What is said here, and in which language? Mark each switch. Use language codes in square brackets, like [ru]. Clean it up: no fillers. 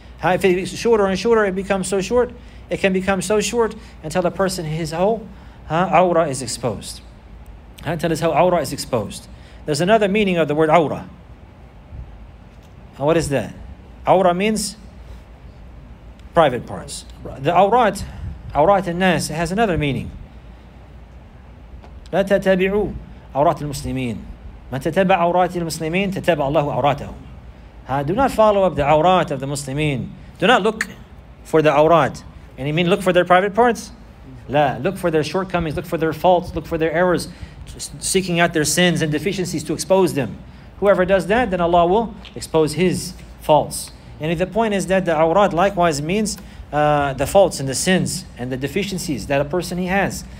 [en] If it's shorter and shorter, it becomes so short, it can become so short until the person, his whole awrah is exposed. Until his whole awrah is exposed. There's another meaning of the word awrah. What is that? Awrah means private parts. The awrat, awrat al-nas, has another meaning. [ar] لا تتابعوا عورات المسلمين ما تتبع عورات المسلمين تتبع الله عوراتهم. [en] Do not follow up the awrat of the Muslimin. Do not look for the awrat. And you mean look for their private parts? [ar] لا. [en] Look for their shortcomings, look for their faults, look for their errors, seeking out their sins and deficiencies to expose them. Whoever does that, then Allah will expose his faults. And the point is that the awrat likewise means the faults and the sins and the deficiencies that a person he has.